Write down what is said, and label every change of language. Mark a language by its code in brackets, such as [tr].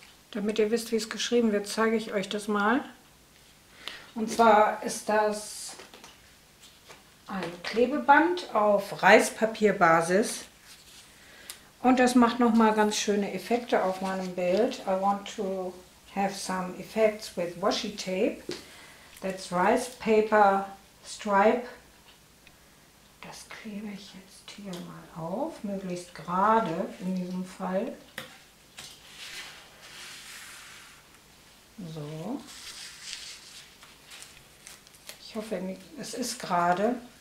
[de] Damit ihr wisst, wie es geschrieben wird, zeige ich euch das mal. Und zwar ist das ein Klebeband auf Reispapierbasis, und das macht noch mal ganz schöne Effekte auf meinem Bild. [en] I want to have some effects with washi tape. That's rice paper stripe. [de] Das klebe ich jetzt hier mal auf, möglichst gerade in diesem Fall. So. Ich hoffe, es ist gerade.